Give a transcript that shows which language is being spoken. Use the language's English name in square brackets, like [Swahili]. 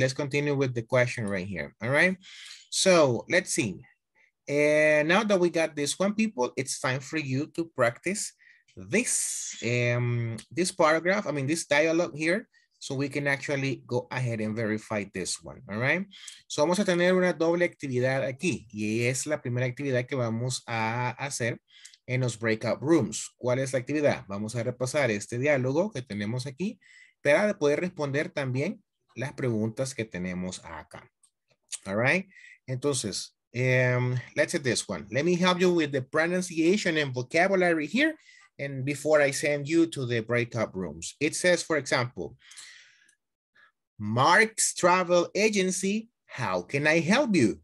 [English] Let's continue with the question right here, all right? So, let's see. And now that we got this one, people, it's time for you to practice this, this paragraph, I mean, this dialogue here. So we can actually go ahead and verify this one, all right? [Spanish] So vamos a tener una doble actividad aquí y es la primera actividad que vamos a hacer en los breakout rooms. ¿Cuál es la actividad? Vamos a repasar este diálogo que tenemos aquí para poder responder también las preguntas que tenemos acá. [English] All right. Entonces, let's hit this one. Let me help you with the pronunciation and vocabulary here. And before I send you to the breakout rooms, it says, for example, Mark's Travel Agency, how can I help you?